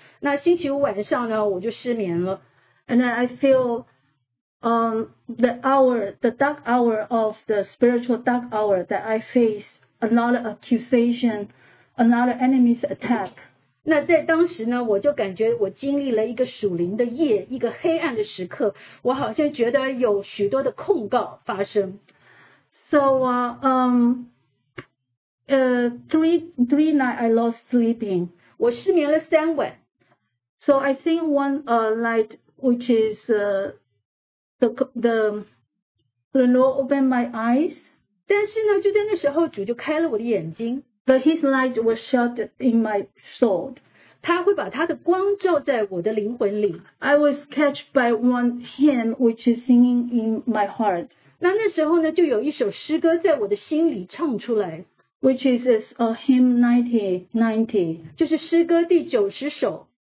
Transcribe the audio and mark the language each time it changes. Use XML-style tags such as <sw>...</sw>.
<zh>那星期五晚上呢, 我就失眠了。</zh> <en>And then I feel the dark hour of the spiritual dark hour that I face a lot of accusation, a lot of enemy's attack.</en> <zh>那在当时呢, 我就感觉我经历了一个属灵的夜, 一个黑暗的时刻, 我好像觉得有许多的控告发生。</zh> <en>So, three nights I lost sleeping.</en> <zh>我失眠了三晚。</zh> <en>So I think one night, which is, The Lord opened my eyes.</en> <zh>但是呢, 就在那时候, 主就开了我的眼睛,</zh> <en>but his light was shut in my soul.</en> <zh>他会把他的光照在我的灵魂里。</zh> <en>I was catched by one hymn which is singing in my heart.</en> <zh>那那时候呢, 就有一首诗歌在我的心里唱出来,</zh> <en>which is a hymn 90,</en> <zh>就是诗歌第90首,</zh>